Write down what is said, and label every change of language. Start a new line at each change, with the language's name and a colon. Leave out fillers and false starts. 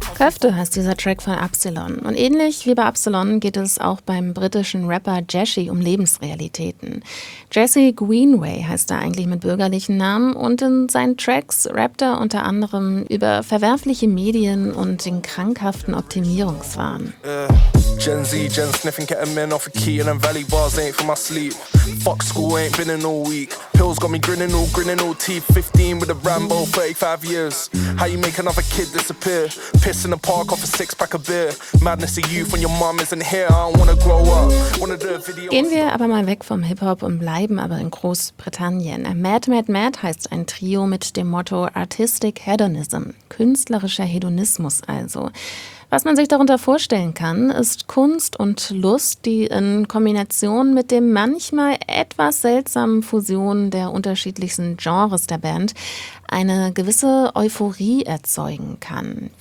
German: Köfte heißt dieser Track von Absilon. Und ähnlich wie bei Absilon geht es auch beim britischen Rapper Jesse um Lebensrealitäten. Jesse Greenway heißt er eigentlich mit bürgerlichen Namen. Und in seinen Tracks rappt er unter anderem über verwerfliche Medien und den krankhaften Optimierungswahn.
English: Gen Z, Gen sniffing ketamine off a key and then valley bars ain't for my sleep. Fuck school, ain't been in all week. Pills got me grinning all teeth. 15 with a Rambo, 35 years. How you make another kid disappear? Piss in the park off a 6-pack of beer. Madness of youth when your mom isn't here. I don't wanna grow up. Wanna do a video.
German: Gehen wir aber mal weg vom Hip-Hop und bleiben aber in Großbritannien. Mad Mad Mad heißt ein Trio mit dem Motto Artistic Hedonism. Künstlerischer Hedonismus also. Was man sich darunter vorstellen kann, ist Kunst und Lust, die in Kombination mit dem manchmal etwas seltsamen Fusion der unterschiedlichsten Genres der Band eine gewisse Euphorie erzeugen kann.